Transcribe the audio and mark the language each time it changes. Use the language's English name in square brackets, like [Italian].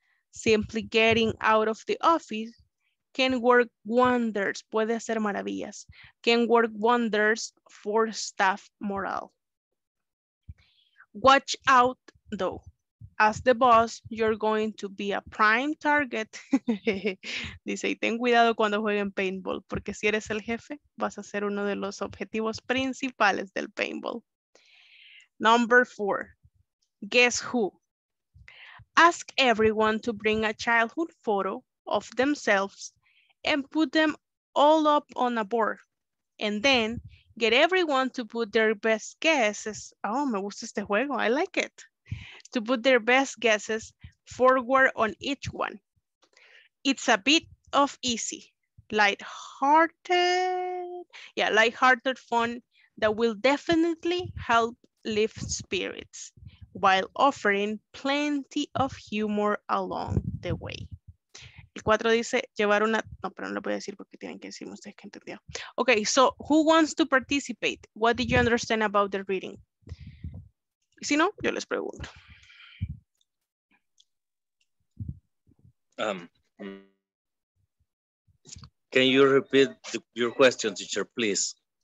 [English] Simply getting out of the office can work wonders. [Spanish] Puede hacer maravillas. [English] Can work wonders for staff morale. Watch out, though. As the boss, you're going to be a prime target. [Spanish] Dice, y ten cuidado cuando jueguen paintball, porque si eres el jefe, vas a ser uno de los objetivos principales del paintball. [English] Number four, guess who? Ask everyone to bring a childhood photo of themselves and put them all up on a board. And then get everyone to put their best guesses. [Spanish] Oh, me gusta este juego. [English] I like it. To put their best guesses forward on each one. It's a bit of easy, lighthearted. Yeah, lighthearted fun that will definitely help lift spirits while offering plenty of humor along the way. [Spanish] El 4 dice llevar una... No, pero no lo voy a decir porque tienen que decirme ustedes que entendió. [English] Okay, so who wants to participate? What did you understand about the reading? [Spanish] Si no, yo les pregunto. [English] Can you repeat your question, teacher, please?